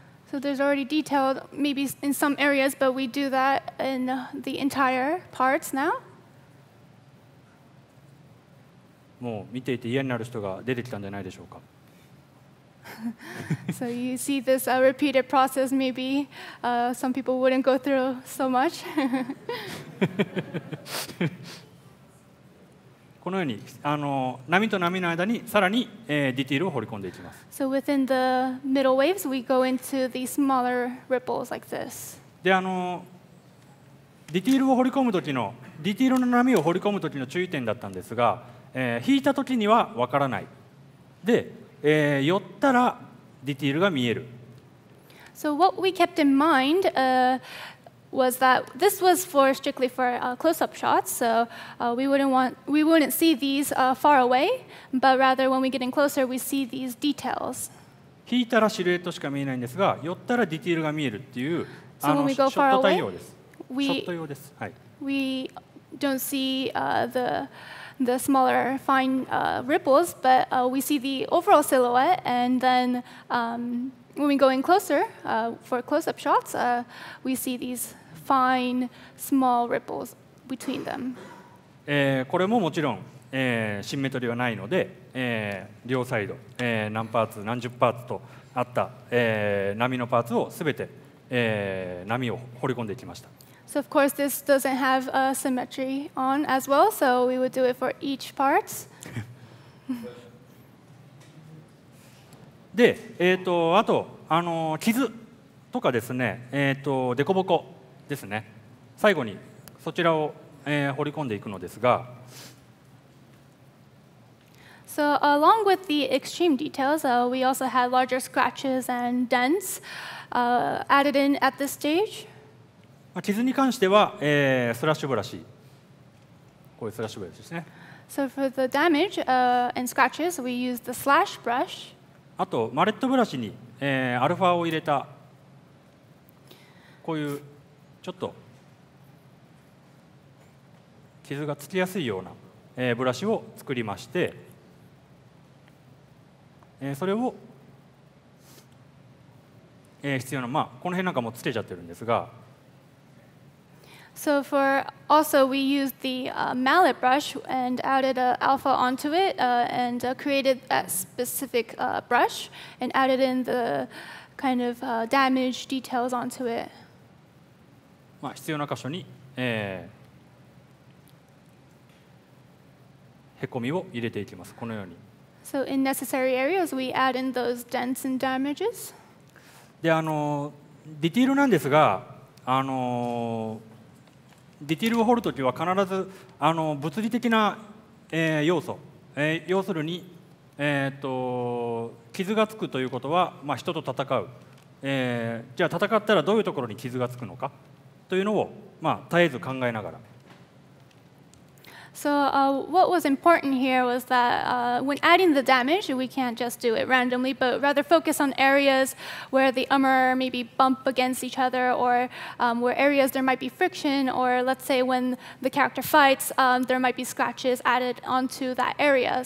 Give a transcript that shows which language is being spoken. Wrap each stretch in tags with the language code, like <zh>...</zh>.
<en>So there's already detail maybe in some areas, but we do that in the entire parts now.</en> <ja>もう見ていて嫌になる人が出てきたんじゃないでしょうか。</ja> <en>So you see this repeated process, maybe some people wouldn't go through so much.</en> <ja>このように波と波の間にさらに、ディテールを彫り込んでいきます。</ja> <en>So within the middle waves, we go into the smaller ripples like this.</en> <ja>で、ディテールを彫り込むときの、ディテールの波を彫り込むときの注意点だったんですが、引いたときには分からない。で、寄ったらディティールが見える。</ja> <en>So what we kept in mind was that this was for strictly for close-up shots. So we wouldn't see these far away, but rather when we get in closer, we see these details.</en> <ja>引いたらシルエットしか見えないんですが、寄ったらディティールが見えるっていう、</ja> <en>so、when we go</en> <ja>ショット対応です。</ja> <en>Away,</en> <ja>ショット用です。はい。</ja> <en>We don't see the smaller fine ripples, but we see the overall silhouette, and then when we go in closer for close-up shots, we see these fine small ripples between them.</en> <ja>これももちろん、シンメトリーはないので、両サイド、何パーツ、何十パーツとあった、波のパーツをすべて、波を彫り込んでいきました。</ja> <en>So of course, this doesn't have a symmetry on as well, so we would do it for each part.</en> <ja>で、あと、傷とかですね、デコボコですね。最後にそちらを、彫り込んでいくのですが。</ja> <en>So along with the extreme details, we also had larger scratches and dents added in at this stage.</en> <ja>傷に関しては、スラッシュブラシ、こういうスラッシュブラシですね。</ja> <en>So for the damage, and scratches, we use the slash brush.</en> <ja>あとマレットブラシに、アルファを入れたこういうちょっと傷がつきやすいような、ブラシを作りまして、それを、必要な、まあ、この辺なんかもつけちゃってるんですが。</ja> <en>So for also, we used the mallet brush and added an alpha onto it and created that specific brush and added in the kind of damage details onto it.</en> <ja>まあ必要な箇所に、へこみを入れていきます。このように。</ja> <en>So in necessary areas, we add in those dents and damages.</en> <ja>で、ディティールなんですが、ディティールを彫るときは必ず物理的な、要素、要するに、傷がつくということは、まあ、人と戦う、じゃあ戦ったらどういうところに傷がつくのかというのを、まあ、絶えず考えながら。</ja> <en>So, what was important here was that when adding the damage, we can't just do it randomly, but rather focus on areas where the armor maybe bump against each other, or where areas there might be friction, or let's say when the character fights, there might be scratches added onto that area.</en>